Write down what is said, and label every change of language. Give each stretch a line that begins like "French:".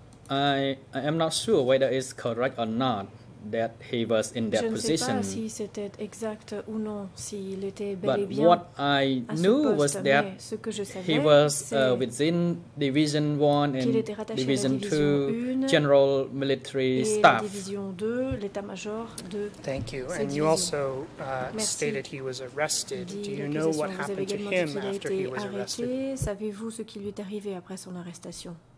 English: I am not sure whether it's correct or not that he was in that position.
French: Je ne sais pas si c'était exact ou non, s'il était bel
English: but
French: et bien.
English: But what I knew was that he was within Division 1 and Division 2 General Military Staff.
French: Et Division 2, l'état-major de.
English: Thank you.
French: Cette
English: and you also stated he was arrested. Do you know what happened to him after he was arrested?
French: Savez-vous ce qui lui est arrivé après son arrestation?